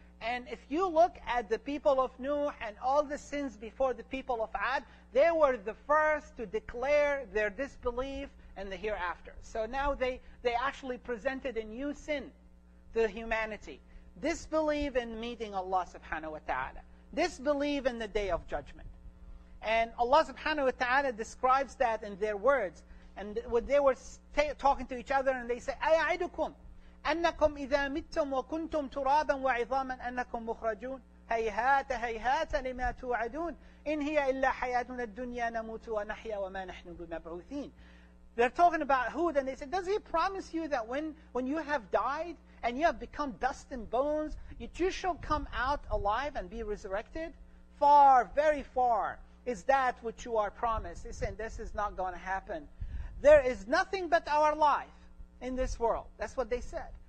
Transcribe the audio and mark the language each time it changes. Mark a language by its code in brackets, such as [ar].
[en] And if you look at the people of Nuh and all the sins before the people of Ad, they were the first to declare their disbelief in the hereafter. So now they actually presented a new sin to humanity. Disbelief in meeting Allah subhanahu wa ta'ala. Disbelief in the day of judgment. And Allah subhanahu wa ta'ala describes that in their words. And when they were talking to each other, and they say, [ar] أَيَعِدُكُمْ أَنَّكُمْ إِذَا مِتْتُمْ وَكُنْتُمْ تُرَابًا وَعِظَامًا أَنَّكُمْ مُخْرَجُونَ هَيْهَاتَ هَيْهَاتَ لِمَا تُوعَدُونَ إِنْ هِيَ إِلَّا حَيَاتُنَا الدُّنْيَا نَمُوتُ وَنَحْيَا وَمَا نَحْنُ بِمَبْعُوثِينَ. [en] They're talking about Hud, and they said, does he promise you that when you have died and you have become dust and bones, that you shall come out alive and be resurrected? Far, very far is that which you are promised. They said, this is not going to happen. There is nothing but our life in this world. That's what they said.